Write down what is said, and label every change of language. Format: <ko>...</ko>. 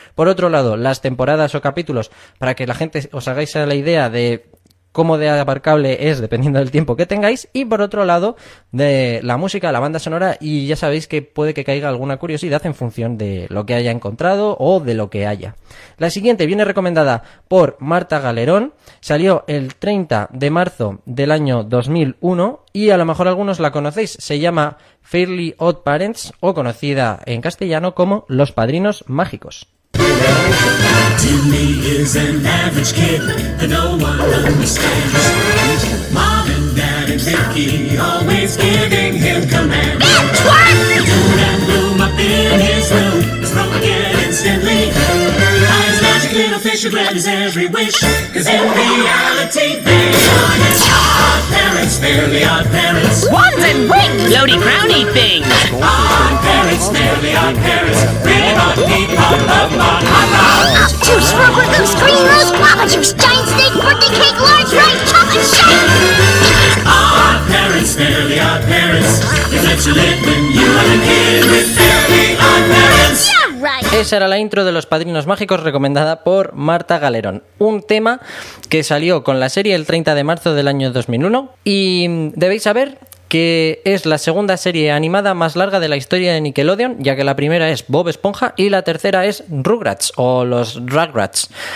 <es>Por otro lado, las temporadas o capítulos, para que la gente os hagáis la idea de cómo de abarcable es dependiendo del tiempo que tengáis, y por otro lado, de la música, la banda sonora, y ya sabéis que puede que caiga alguna curiosidad en función de lo que haya encontrado o de lo que haya. La siguiente viene recomendada por Marta Galerón, salió el 30 de marzo del año 2001, y a lo mejor algunos la conocéis, se llama Fairly Odd Parents, o conocida en castellano como Los Padrinos Mágicos.</es> <en>Timmy is an average kid that no one understands. Mom and Dad and Vicky always giving him commands. It's what? The doom and gloom up in his room is broken instantly. His magic little fish will grant his every wish, 'cause in reality they are his odd parents, fairly odd parents. Wands and wings, floaty crowny things. Odd parents, fairly odd parents. Really odd people of modern times. Obtuse, rubber-goose, green-nose, papa-juice, giant snake, birthday cake, large rice, chocolate shake. Odd parents, fairly odd parents. You let you live when you are a kid with fairly odd parents.</en> <es>Esa era la intro de Los Padrinos Mágicos, recomendada por Marta Galerón. Un tema que salió con la serie el 30 de marzo del año 2001. Y debéis saber que es la segunda serie animada más larga de la historia de Nickelodeon, ya que la primera es Bob Esponja y la tercera es Rugrats, o los Rugrats.</es>